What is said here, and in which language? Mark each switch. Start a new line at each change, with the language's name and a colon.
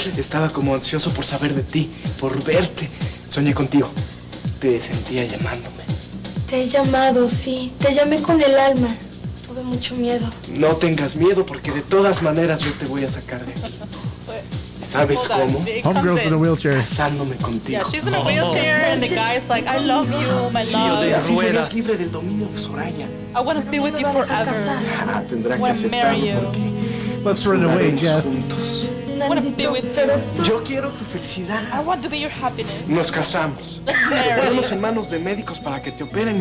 Spanish: Estaba como ansioso por saber de ti, por verte. Soñé contigo. Te sentía llamándome. Te he llamado, sí. Te llamé con el alma. Tuve mucho miedo. No tengas miedo, porque de todas maneras yo te voy a sacar de aquí. ¿Sabes cómo?
English: Homegirls in a wheelchair.
Spanish: Casándome contigo.
English: Yeah, she's in a wheelchair and the guy is like, I love you, my love.
Spanish: Sí, o de así serás libre del dominio de Soraya.
English: I want to be with you forever.
Spanish: Tendrá que aceptarlo porque...
English: Let's run away, Jeff.
Spanish: Juntos.
English: I want to be with you.
Spanish: Yo quiero tu felicidad.
English: I want to be your happiness.
Spanish: Nos casamos.
English: Let's marry.
Spanish: Ponemos en manos de médicos para que te operen y